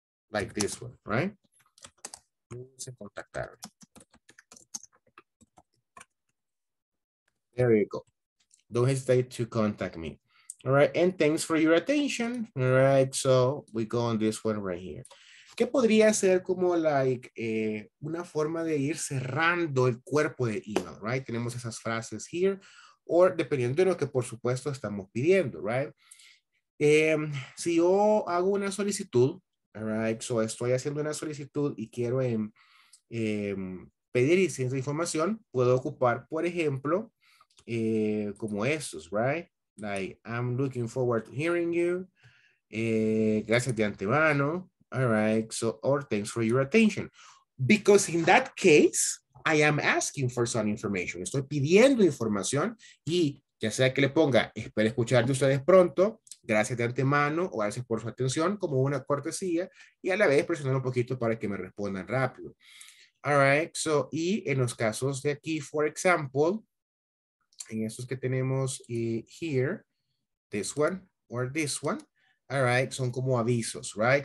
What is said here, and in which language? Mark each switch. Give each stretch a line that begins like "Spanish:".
English: Like this one, right?
Spanish: No dudes en contactarme.
English: There you go. Don't hesitate to contact me. All right. And thanks for your attention. All right. So we go on this one right here.
Spanish: ¿Qué podría ser como like una forma de ir cerrando el cuerpo de email, right? Tenemos esas frases here, o dependiendo de lo que por supuesto estamos pidiendo, right? Si yo hago una solicitud, right? So estoy haciendo una solicitud y quiero pedir licencia de información, puedo ocupar, por ejemplo, como estos, right?
English: Like, I'm looking forward to hearing you.
Spanish: Gracias de antemano.
English: All right, so, or thanks for your attention. Because in that case, I am asking for some information.
Spanish: Estoy pidiendo información y ya sea que le ponga, espero escuchar de ustedes pronto, gracias de antemano o gracias por su atención, como una cortesía, y a la vez presionar un poquito para que me respondan rápido. All right, so, y en los casos de aquí, for example, en estos que tenemos here,
English: this one or this one,
Spanish: all right, son como avisos, right?